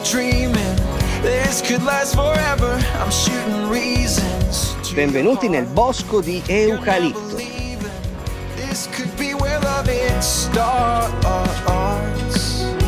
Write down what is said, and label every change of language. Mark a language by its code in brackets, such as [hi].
[en] dreaming, this could last forever, I'm shooting reasons. [it] Benvenuti nel bosco di eucalipto. [en] This could be where love it starts.